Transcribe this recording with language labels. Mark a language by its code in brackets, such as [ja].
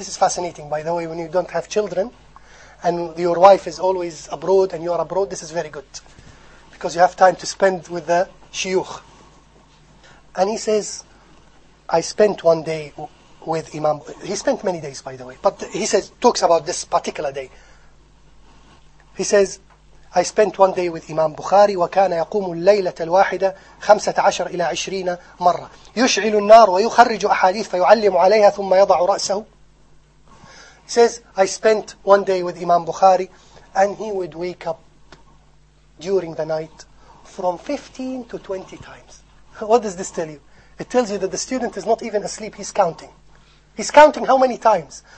[en] And this is fascinating, by the way, when you don't have children, and your wife is always abroad, and you are abroad, this is very good. Because you have time to spend with the shiuch. And he says, I spent one day with Imam Bukhari. He spent many days, by the way. But he says, talks about this particular day. He says, I spent one day with Imam Bukhari, [ar] وَكَانَ يَقُومُ اللَّيْلَةَ الْوَاحِدَةَ 15 إِلَى 20 مَرَّةً يُشْعِلُ النَّارُ وَيُخَرِّجُ أَحَادِيثَ فَيُعَلِّمُ عَلَيْهَا ثُمَّ يَضَعُ رَأْسَهُ. [en] He says, I spent one day with Imam Bukhari, and he would wake up during the night from 15 to 20 times. What does this tell you? It tells you that the student is not even asleep, he's counting. He's counting how many times?